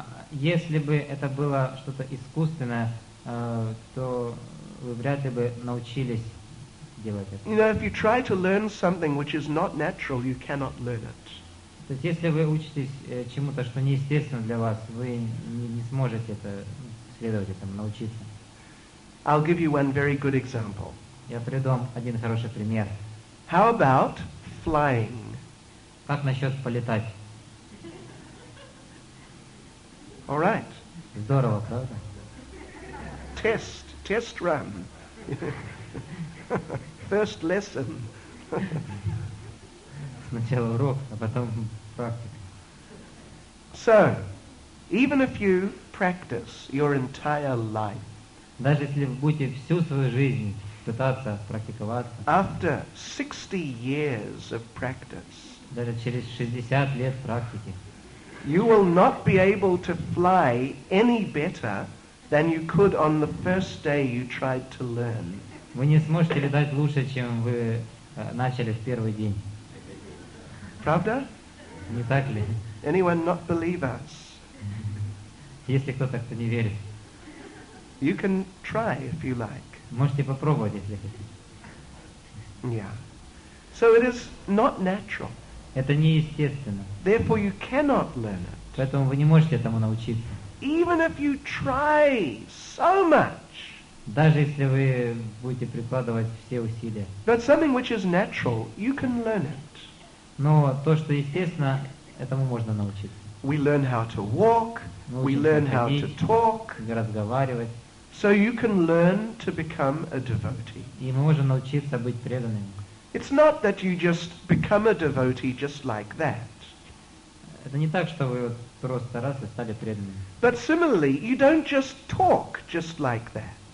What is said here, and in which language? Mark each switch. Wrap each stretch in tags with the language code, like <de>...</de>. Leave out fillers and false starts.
<ru>Если бы это было что-то искусственное, то вы вряд ли бы научились делать это.</ru> <en>You know, if you try to learn something which is not natural, you cannot learn it.</en> <ru>То есть, если вы учитесь чему-то, что неестественно для вас, вы не сможете это следовать этому, научиться.</ru> <en>I'll give you one very good example.</en> <ru>Я приведу вам один хороший пример.</ru> <en>How about flying?</en> <ru>Как насчет полетать?</ru> <en>All right.</en> <ru>Здорово, правда?</ru> <en>Test run. First lesson.</en> <ru>Сначала урок, а потом практика.</ru> <en>So, even if you practice your entire life,</en> <ru>даже если вы будете всю свою жизнь пытаться практиковаться,</ru> <en>after 60 years of practice,</en> <ru>даже через 60 лет практики,</ru> <en>you will not be able to fly any better than you could on the first day you tried to learn.</en> <ru>Вы не сможете летать лучше, чем вы начали в первый день. Правда? Не так ли?</ru> <en>Anyone not believe us?</en> <ru>Если кто-то, кто не верит.</ru> <en>You can try if you like.</en> <ru>Можете попробовать, если хотите.</ru> <en>Yeah. So it is not natural.</en> <ru>Это неестественно.</ru> <en>Therefore you cannot learn it.</en> <ru>Поэтому вы не можете этому научиться.</ru> <en>Even if you try so much.</en> <ru>Даже если вы будете прикладывать все усилия.</ru> <en>But something which is natural, you can learn it.</en> <ru>Но то, что естественно, этому можно научиться.</ru> <en>We learn how to walk, we learn how to talk.</en> <ru>Разговаривать.</ru> <en>So you can learn to become a devotee.</en> <ru>И мы можем научиться быть преданными.</ru> <en>It's not that you just become a devotee just like that.</en> <ru>Это не так, что вы просто раз и стали преданными.</ru> <en>But similarly, you don't just talk just like that.</en>